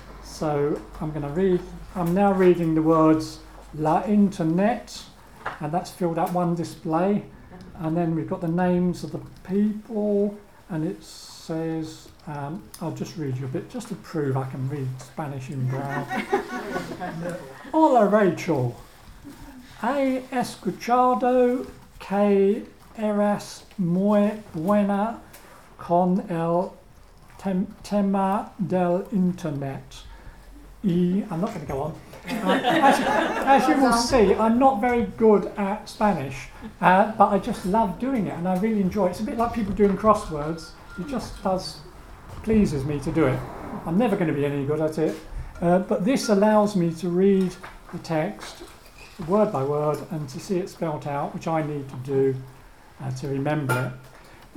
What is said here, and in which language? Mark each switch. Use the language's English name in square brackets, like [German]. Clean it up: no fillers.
[English] So I'm going to read, I'm now reading the words La Internet, and that's filled up one display. And then we've got the names of the people, and it says, I'll just read you a bit, just to prove I can read Spanish in Braille. [Spanish] Hola, Rachel. A escuchado que eras muy buena con el tema del internet. [English] I'm not going to go on. As you will see, I'm not very good at Spanish, but I just love doing it, and I really enjoy it. It's a bit like people doing crosswords. It just pleases me to do it. I'm never going to be any good at it. But this allows me to read the text word by word and to see it spelt out, which I need to do to remember it.